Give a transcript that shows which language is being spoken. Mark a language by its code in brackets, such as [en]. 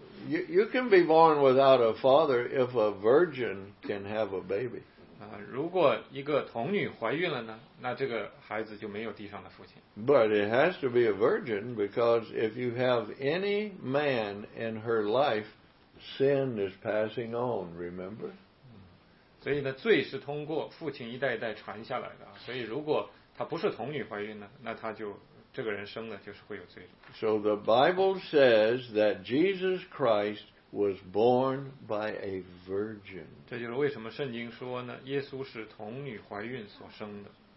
[en] You can be born without a father if a virgin can have a baby. [zh] 如果一个童女怀孕了呢，那这个孩子就没有地上的父亲。 [en] But it has to be a virgin, because if you have any man in her life, sin is passing on, remember? [zh] 所以呢，罪是通过父亲一代一代传下来的，所以如果她不是童女怀孕呢，那她就这个人生的就是会有罪的。 [en] So the Bible says that Jesus Christ was born by a virgin. [zh] 这就是为什么圣经说呢，耶稣是童女怀孕所生的。